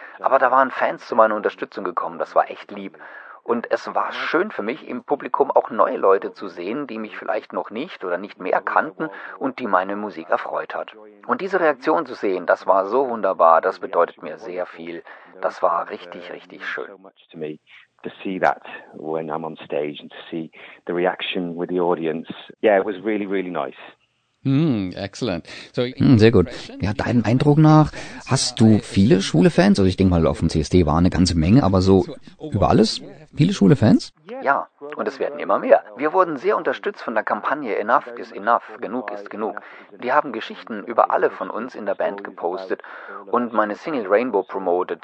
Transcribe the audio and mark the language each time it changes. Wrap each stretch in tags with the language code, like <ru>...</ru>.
<de>Aber da waren Fans zu meiner Unterstützung gekommen. Das war echt lieb. Und es war schön für mich, im Publikum auch neue Leute zu sehen, die mich vielleicht noch nicht oder nicht mehr kannten und die meine Musik erfreut hat. Und diese Reaktion zu sehen, das war so wunderbar, das bedeutet mir sehr viel. Das war richtig, richtig schön.</de> <en>To see that when I'm on stage and to see the reaction with the audience. Yeah, it was really, really nice. Excellent.</en> <de>Sehr gut. Ja, deinen Eindruck nach, hast du viele schwule Fans? Also ich denke mal, auf dem CSD war eine ganze Menge, aber so über alles viele schwule Fans? Ja, und es werden immer mehr. Wir wurden sehr unterstützt von der Kampagne Enough is Enough, Genug ist Genug. Die haben Geschichten über alle von uns in der Band gepostet und meine Single Rainbow promoted.</de>